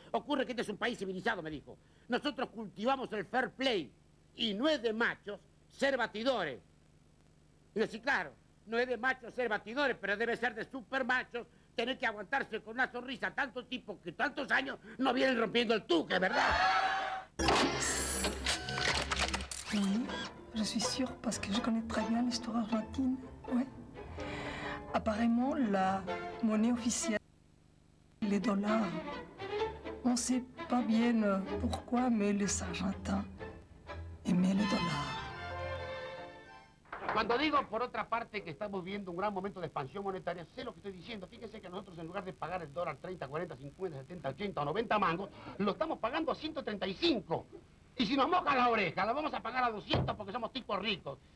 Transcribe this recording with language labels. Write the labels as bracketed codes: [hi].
[es] Ocurre que este es un país civilizado, me dijo. Nosotros cultivamos el fair play. Y no es de machos ser batidores. Y así, claro. No es de machos ser batidores, pero debe ser de supermachos tener que aguantarse con una sonrisa tanto tipo que tantos años no vienen rompiendo el tuque, ¿verdad? [fr] Oui, je suis sûre parce que je connais très bien l'histoire argentine. Oui. Apparemment, la monnaie officielle, les dollars, on ne sait pas bien pourquoi, mais les Argentins aimaient les dollars. [es] Cuando digo, por otra parte, que estamos viviendo un gran momento de expansión monetaria, sé lo que estoy diciendo. Fíjense que nosotros, en lugar de pagar el dólar 30, 40, 50, 70, 80 o 90 mangos, lo estamos pagando a 135. Y si nos moja la oreja, la vamos a pagar a 200 porque somos tipos ricos.